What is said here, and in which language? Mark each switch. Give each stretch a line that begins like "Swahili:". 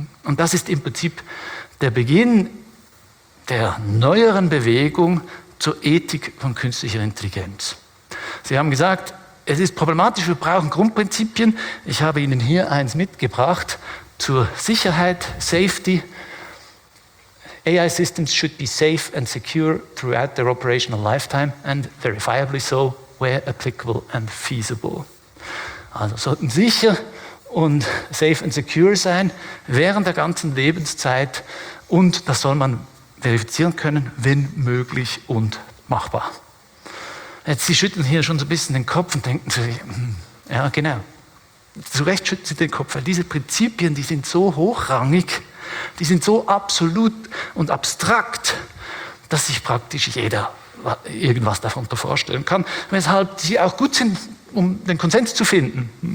German: Und das ist im Prinzip der Beginn der neueren Bewegung zur Ethik von künstlicher Intelligenz. Sie haben gesagt, es ist problematisch, wir brauchen Grundprinzipien. Ich habe Ihnen hier eins mitgebracht zur Sicherheit, Safety.
English: AI systems should be safe and secure throughout their operational lifetime and verifiably so where applicable and feasible.
German: Also sollten sicher und
English: safe and secure
German: sein während der ganzen Lebenszeit und das soll man verifizieren können, wenn möglich und machbar. Jetzt, Sie schütteln hier schon so ein bisschen den Kopf und denken sich, ja genau, zu Recht schütteln Sie den Kopf, weil diese Prinzipien, die sind so hochrangig, die sind so absolut und abstrakt, dass sich praktisch jeder irgendwas davon vorstellen kann, weshalb sie auch gut sind, um den Konsens zu finden.